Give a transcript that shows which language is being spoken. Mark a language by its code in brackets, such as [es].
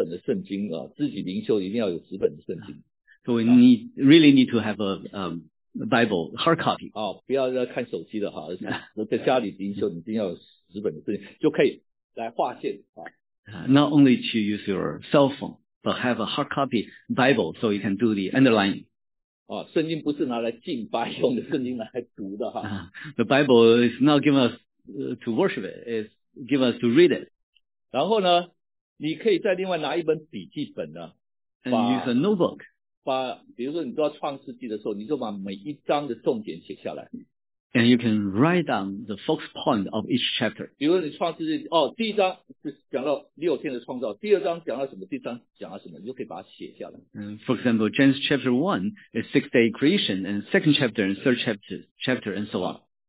[zh] 所以我们真的是要找一本纸本的圣经，自己灵修一定要有纸本的圣经。 [en] So we really need to have a Bible, hard copy. [zh] 不要看手机的，在家里灵修你一定要有纸本的圣经，就可以来画线。 [en] Not only to use your cell phone, but have a hard copy Bible so you can do the underlining. [zh] 圣经不是拿来敬拜用的，圣经拿来读的。 [en] The Bible is not given us to worship it, it's given us to read it. [zh] 然后呢，你可以再另外拿一本笔记本呢， [en] and use a notebook. [zh] 比如说你读到创世纪的时候，你就把每一章的重点写下来。 [en] And you can write down the focus point of each chapter. [zh] 比如说你创世纪，第一章是讲到六天的创造，第二章讲到什么，第三章讲到什么，你就可以把它写下来。 [en] For example, Genesis chapter 1 is 6-day creation, and second chapter and third chapter and so on.